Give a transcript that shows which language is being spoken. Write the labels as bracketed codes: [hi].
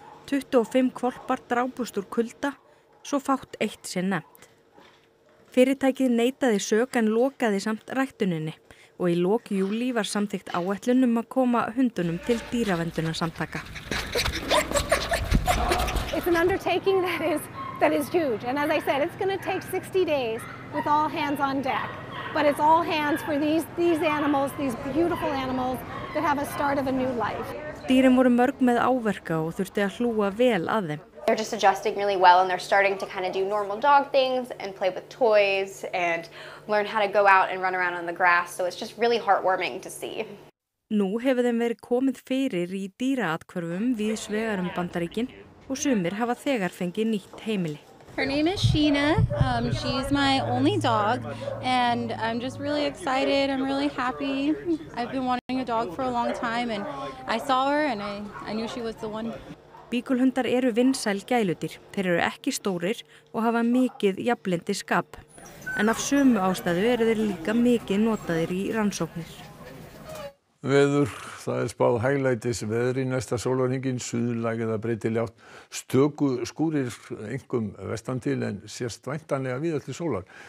[is] 25 hvolpar drápust úr kulda, svo fátt eitt sé nefnt. Fyrirtækið neitaði sök en lokaði samt ræktuninni og í lok júlí var samþykkt áætlun að koma hundunum til dýraverndunarsamtaka. [en] It's an undertaking that is huge and as I said it's going to take 60 days with all hands on deck. But it's all hands for these animals, these beautiful animals that have a start of a new life. [is] Dýrin voru mörg með áverka og þurfti að hlúa vel að þeim. [en] They're just adjusting really well and they're starting to kind of do normal dog things and play with toys and learn how to go out and run around on the grass. So it's just really heartwarming to see. [is] Nú hefur þeim verið komið fyrir í dýraathvörfum víðs vegar Bandaríkin og sumir hafa þegar fengið nýtt heimili. [en] Her name is Sheena. She's my only dog and I'm just really excited. I'm really happy. I've been wanting a dog for a long time and I saw her and I knew she was the one. [is] Bíkulhundar eru vinsæl gæludýr. Þeir eru ekki stórir og hafa mikið jafnlyndi skap. En af sömu ástæðu eru þeir líka mikið notaðir í rannsóknir. Veður, það spáð hæglætis veður í næsta sólarhringin, suðlæg eða breytilegt. Stöku skúrir einkum vestan til en sést væntanlega víða til sólar.